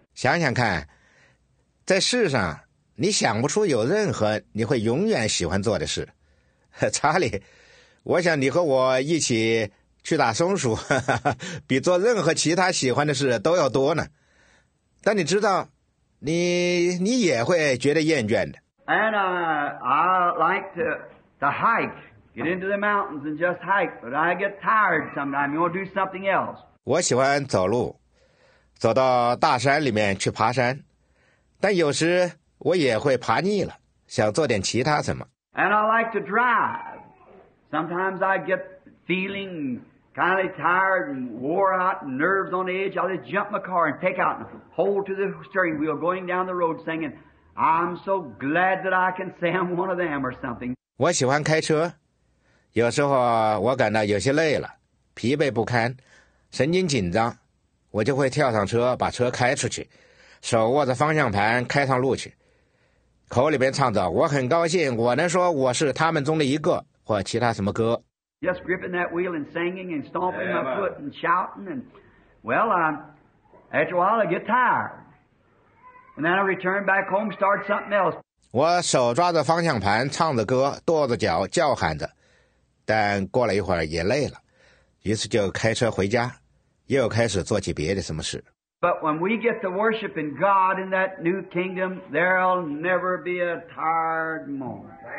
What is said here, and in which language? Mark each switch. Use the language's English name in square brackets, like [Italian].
[Chinese] 想想看，在世上你想不出有任何你会永远喜欢做的事。查理，我想你和我一起去打松鼠比做任何其他喜欢的事都要多呢。但你知道，你也会觉得厌倦的。 [English] And I like to hike, get into the mountains and just hike, but I get tired sometimes, you want to do something else. [Chinese] 我喜欢走路，走到大山里面去爬山，但有时我也会爬腻了，想做点其他什么。 [English] And I like to drive. Sometimes I get feeling kind of tired and wore out and nerves on edge. I'll just jump my car and take out and hold to the steering wheel going down the road singing, I'm so glad that I can say I'm one of them or something. [Chinese] 我喜欢开车，有时候我感到有些累了，疲惫不堪，神经紧张，我就会跳上车把车开出去，手握着方向盘开上路去，口里边唱着我很高兴我能说我是他们中的一个或其他什么歌。 [English] Just gripping that wheel and singing and stomping my foot and shouting and well, after a while I get tired. And then I return back home, start something else. [Chinese] 我手抓着方向盘唱着歌，跺着脚叫喊着，但过了一会儿也累了，于是就开车回家，又开始做起别的什么事。 [English] But when we get to worship in God in that new kingdom, there'll never be a tired moment.